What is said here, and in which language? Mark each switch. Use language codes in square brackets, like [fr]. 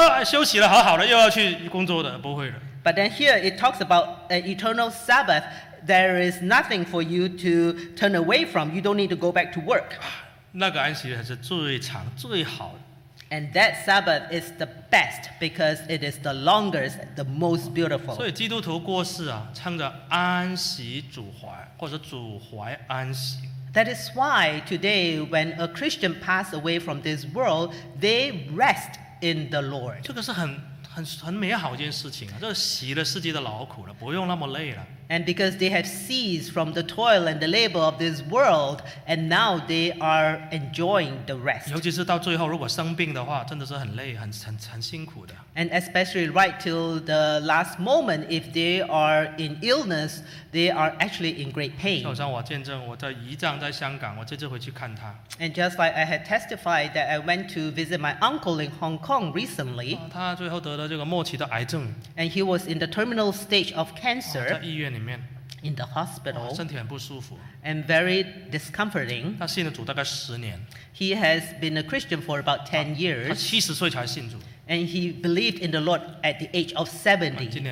[zh] 但是呢，以后还有一个不会停止的，不会说啊休息了好好了又要去工作的，不会的。 [en] But then here it talks about an eternal Sabbath. There is nothing for you to turn away from. You don't need to go back to work. [zh] 那个安息日是最长最好的。 [en] And that Sabbath is the best because it is the longest, the most beautiful. [zh] 所以基督徒过世啊，称着安息主怀，或者主怀安息。 [en] That is why today, when a Christian passes away from this world, they rest in the Lord. [zh] 这个是很美好一件事情啊，这洗了世界的劳苦了，不用那么累了。 [en] And because they have ceased from the toil and the labor of this world, and now they are enjoying the rest. [zh] 尤其是到最后，如果生病的话，真的是很累，很辛苦的。 [en] And especially right till the last moment, if they are in illness, they are actually in great pain. [zh] 就像我见证，我的姨丈在香港，我这次回去看他。 [en] And just like I had testified that I went to visit my uncle in Hong Kong recently. [zh] 他最后得了这个末期的癌症。 [en] And he was in the terminal stage of cancer. [zh] 在医院里。 [en] In the hospital, [zh] 身体很不舒服, [en] and very discomforting. He has been a Christian for about 10 years. [zh] 他70岁才信主, [en] and he believed in the Lord at the age of 70.